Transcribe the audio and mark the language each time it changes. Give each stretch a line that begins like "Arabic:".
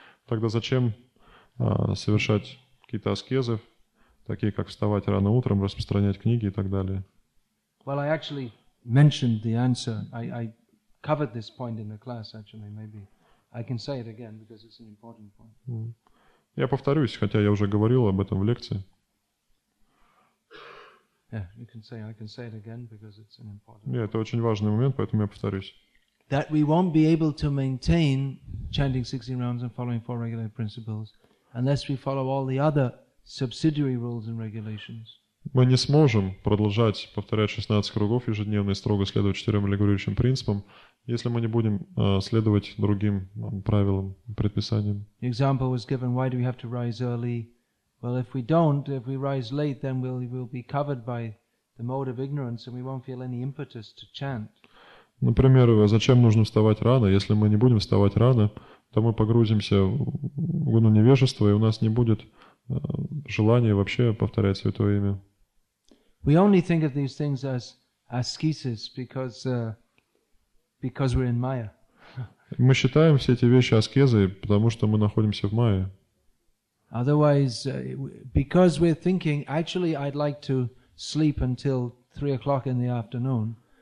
Russian: Тогда зачем совершать какие-то аскезы, такие как вставать рано утром, распространять книги и так далее?
English: Well, I actually mentioned the answer. I covered this point in the class, actually. Maybe I can say it again, because it's an important point.
Russian: Я повторюсь, хотя я уже говорил об этом в лекции.
English: Yeah, you can say, I can say it again, because it's an important point. Yeah,
Russian: это очень важный момент, поэтому я повторюсь.
English: That we won't be able to maintain chanting 16 rounds and following four regular principles unless we follow all the other subsidiary rules and regulations.
Russian: Мы не сможем продолжать повторять 16 кругов ежедневно и строго следовать четырем регулирующим принципам, если мы не будем следовать другим правилам, предписаниям.
English: Example was given, why do we have to rise early? Well, if we don't, if we rise late, then we'll be covered by the mode of ignorance and we won't feel any impetus to chant.
Russian: Например, зачем нужно вставать рано? Если мы не будем вставать рано, то мы погрузимся в гуну невежества и у нас не будет желание вообще повторять Святое Имя.
English: We only think of these things as askesis because we're in Maya.
Russian: Мы считаем все эти вещи аскезой, потому что мы находимся в Майе.
English: Otherwise, because we're thinking, actually, I'd like to sleep until 3 o'clock in the afternoon.